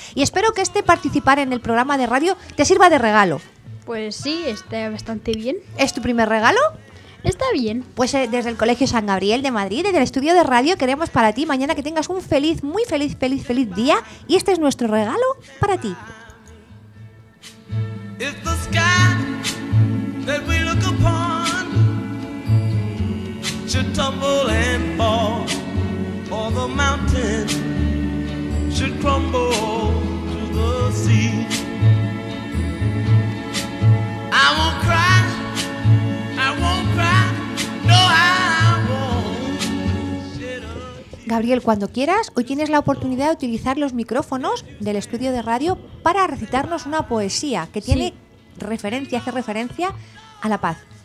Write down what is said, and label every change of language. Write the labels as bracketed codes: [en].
[es] Y espero que este participar en el programa de radio te sirva de regalo. Pues sí, está bastante bien. ¿Es tu primer regalo? Está bien. Pues desde el Colegio San Gabriel de Madrid, desde el estudio de radio, queremos para ti mañana que tengas un feliz, muy feliz, feliz, feliz día. Y este es nuestro regalo para ti. [en] If the sky that we look upon should tumble and fall, or the mountain should crumble to the sea, I won't cry, I won't cry, no, I won't shed a tear. [es] Gabriel, cuando quieras, hoy tienes la oportunidad de utilizar los micrófonos del estudio de radio para recitarnos una poesía que tiene... Sí. Referencia, hace referencia a la paz.